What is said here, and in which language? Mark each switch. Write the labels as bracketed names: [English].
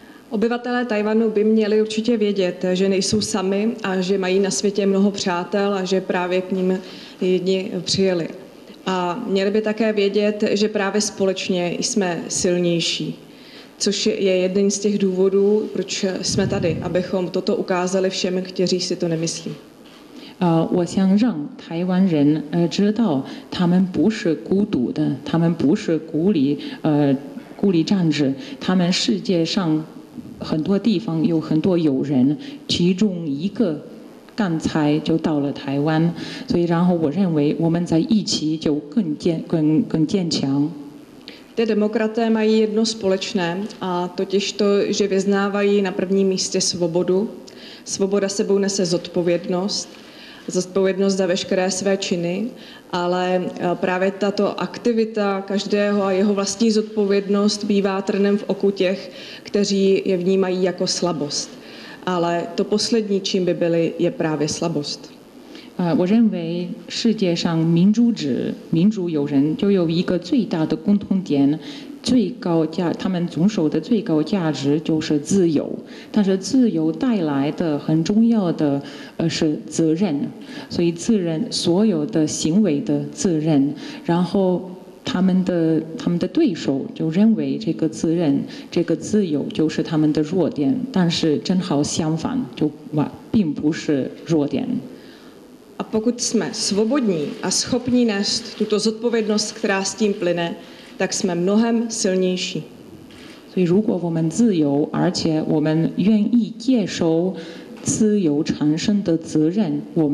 [Czech] Obyvatelé Tchaj-wanu by měli určitě vědět, že nejsou sami a že mají na světě mnoho přátel a že právě k ním jedni přijeli. A měli by také vědět, že právě společně jsme silnější. Což je jeden z těch důvodů, proč jsme tady, abychom toto ukázali všem, kteří si to nemyslí. [Chinese] 我想让台湾人知道，他们不是孤独的，他们不是孤立，孤。孤立战士，他们世界上很多地方有很多友人，其中一个刚才就到了台湾，所以然后我认为我们在一起就更坚强。 [Czech] Ty demokraté mají jedno společné, a totiž to, že vyznávají na prvním místě svobodu. Svoboda sebou nese zodpovědnost, zodpovědnost za veškeré své činy, ale právě tato aktivita každého a jeho vlastní zodpovědnost bývá trnem v oku těch, kteří je vnímají jako slabost. Ale to poslední, čím by byli, je právě slabost. [Chinese] 我认为世界上民主制民主友人就有一个最大的共同点，最高价他们遵守的最高价值就是自由，但是自由带来的很重要的是责任，所以责任所有的行为的责任，然后他们的对手就认为这个责任这个自由就是他们的弱点，但是正好相反，就并不是弱点。 [Czech] A pokud jsme svobodní a schopní nést tuto zodpovědnost, která s tím plyne, tak jsme mnohem silnější. Takže pokud jsme svobodní a jsme schopní nést tuto zodpovědnost, která s tím plyne, tak jsme